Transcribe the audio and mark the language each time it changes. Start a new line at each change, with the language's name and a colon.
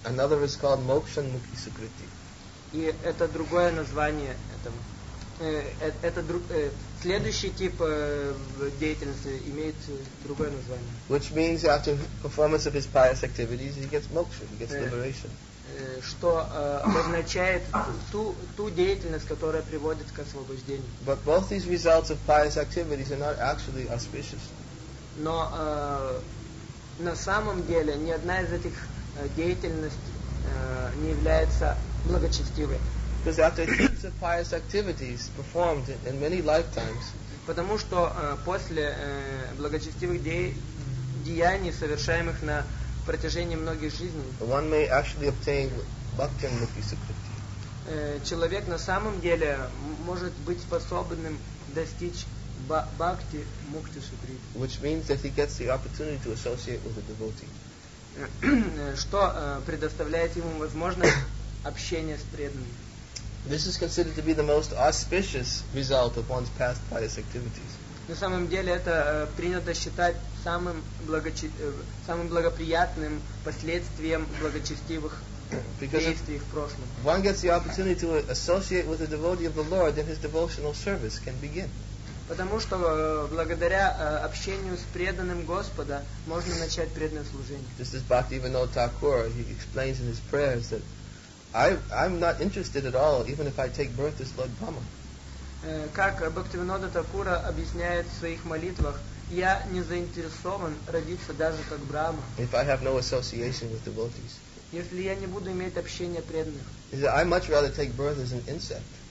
English: Another is called Mokshan Mukhi Sukriti.
Russian: И это другое название этому. Следующий тип деятельности имеет другое название.
English: Which means after performance of his pious activities, he gets moksha, he gets liberation.
Russian: Что означает ту деятельность, которая приводит к освобождению.
English: But both these results of pious activities are not actually auspicious.
Russian: Но на самом деле ни одна из этих деятельностей не является благочестивой.
English: Because after heaps of pious activities performed in many lifetimes,
Russian: потому что после благочестивых деяний, совершаемых на протяжении многих жизней,
English: one may actually obtain bhaktin mukhi sukriti.
Russian: Человек на самом деле может быть способным достичь бхакти мукти сукрити.
English: Which means that he gets the opportunity to associate with a devotee.
Russian: Что предоставляет ему возможность общения с преданным.
English: This is considered to be the most auspicious result of one's past pious activities.
Russian: На самом деле это принято считать самым благоприятным последствием благочестивых действий в прошлом.
English: Because if one gets the opportunity to associate with a devotee of the Lord, then his devotional service can begin.
Russian: Потому что благодаря общению с преданным Господа можно начать преданное служение.
English: This is Bhaktivinoda Thakur. He explains in his prayers that I'm not interested at all, even if I take birth as Lord Brahma.
Russian: Как Бхактивинода Такура объясняет в своих молитвах, я не заинтересован родиться даже как Брахма.
English: If I have no association with devotees.
Russian: Если я не буду иметь общения преданных.
English: I much rather take birth as an insect.